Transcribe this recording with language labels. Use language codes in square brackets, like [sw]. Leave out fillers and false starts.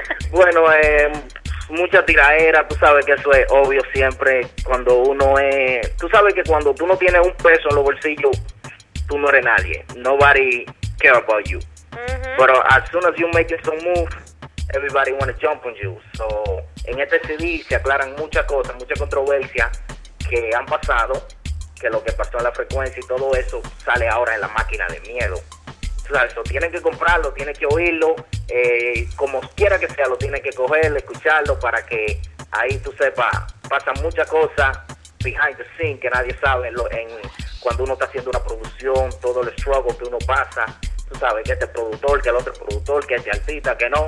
[es] Bueno, mucha tiraera, tú sabes que eso es obvio siempre. Cuando uno es, tú sabes que cuando tú no tienes un peso en los bolsillos, tú no eres nadie. [en] Nobody cares about you. Pero as soon as you make some moves, everybody wanna jump on you. [es] So, en este CD se aclaran muchas cosas, muchas controversias que han pasado. Que lo que pasó en la frecuencia y todo eso sale ahora en la máquina de miedo. O sea, eso tienen que comprarlo, tienen que oírlo, como quiera que sea, lo tienen que coger, escucharlo, para que ahí tú sepas, pasa mucha cosa [en] behind the scene [es] que nadie sabe cuando uno está haciendo una producción, todo el struggle que uno pasa, tú sabes, que este productor, que el otro productor, que este artista, que no.